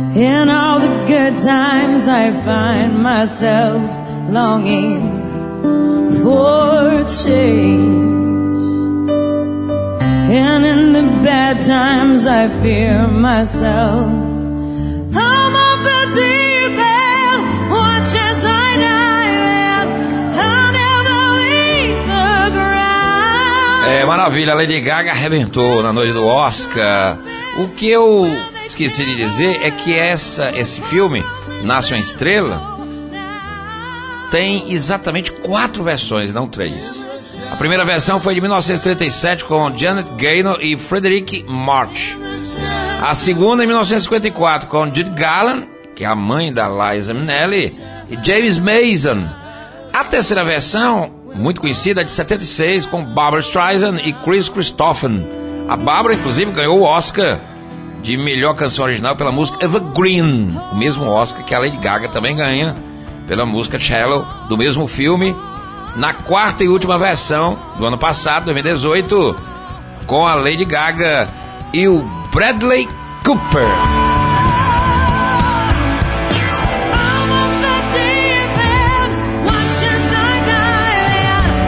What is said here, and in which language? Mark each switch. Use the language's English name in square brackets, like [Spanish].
[English] In all the good times I find myself longing for change, and in the bad times I fear myself. I'm off the deep end, watch as I dive in. I'll never leave the ground. [Portuguese] É maravilha, Lady Gaga arrebentou na noite do Oscar. O que eu esqueci de dizer é que esse filme, Nasce uma Estrela, tem exatamente 4 versões, não 3. A primeira versão foi de 1937 com Janet Gaynor e Frederick March. A segunda em 1954 com Judy Garland, que é a mãe da Liza Minnelli, e James Mason. A terceira versão, muito conhecida, é de 76 com Barbra Streisand e Kris Kristofferson. A Barbra, inclusive, ganhou o Oscar de melhor canção original pela música Evergreen, o mesmo Oscar que a Lady Gaga também ganha pela música Shallow, do mesmo filme, na quarta e última versão do ano passado, 2018, com a Lady Gaga e o Bradley Cooper. [English] I'm off the deep end, watch as I die in.